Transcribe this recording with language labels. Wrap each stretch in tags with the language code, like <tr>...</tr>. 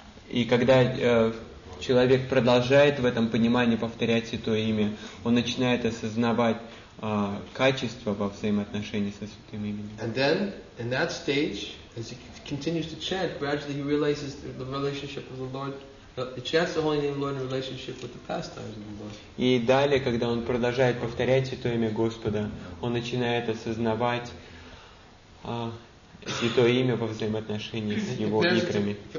<ru>И когда человек продолжает в этом понимании повторять святое имя, он начинает осознавать качество во взаимоотношении со святым именем.</ru> <en>And then, in that stage, as he continues to chant, gradually he realizes the relationship of the Lord, he chants the holy name of the Lord in relationship with the pastimes of the Lord.</en> <ru>И далее, когда он продолжает повторять святое имя Господа, он начинает осознавать святое имя во взаимоотношении с его икрами.</ru>